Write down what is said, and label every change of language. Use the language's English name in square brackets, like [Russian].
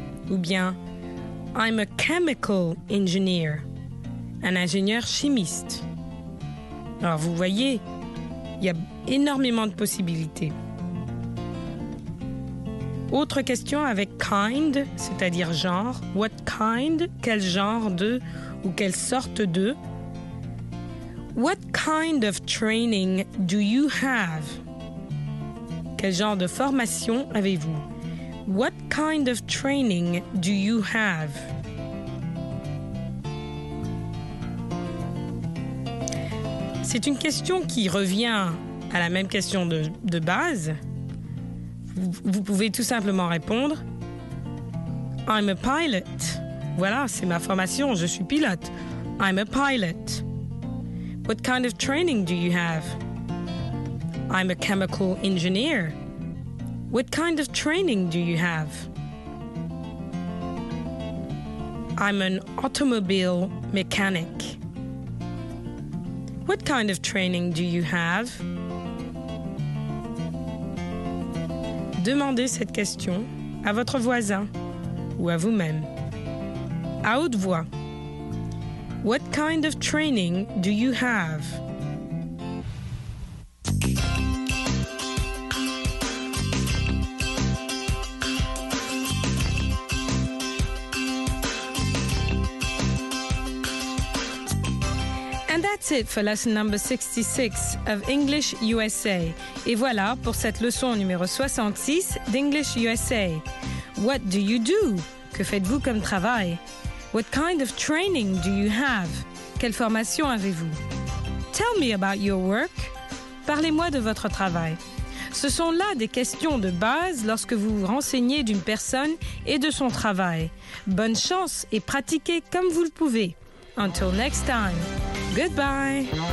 [French] Ou bien, [English] I'm a chemical engineer, [French] un ingénieur chimiste. Alors, vous voyez, il y a énormément de possibilités. Autre question avec kind, c'est-à-dire genre. [English] What kind, [French] quel genre de ou quelle sorte de. [English] What kind of training do you have? [French] Quel genre de formation avez-vous? [English] What kind of training do you have? [French] C'est une question qui revient à la même question de base. Vous pouvez tout simplement répondre [English] I'm a pilot. [French] Voilà, c'est ma formation, je suis pilote. [English] I'm a pilot. What kind of training do you have? I'm a chemical engineer. What kind of training do you have? I'm an automobile mechanic. What kind of training do you have? [French] Demandez cette question à votre voisin ou à vous-même. À haute voix. [English] What kind of training do you have? That's it for lesson number 66 of English USA. [French] Et voilà pour cette leçon numéro 66 d'English USA. [English] What do you do? [French] Que faites-vous comme travail? [English] What kind of training do you have? [French] Quelle formation avez-vous? [English] Tell me about your work. [French] Parlez-moi de votre travail. Ce sont là des questions de base lorsque vous vous renseignez d'une personne et de son travail. Bonne chance et pratiquez comme vous le pouvez. [English] Until next time. Goodbye.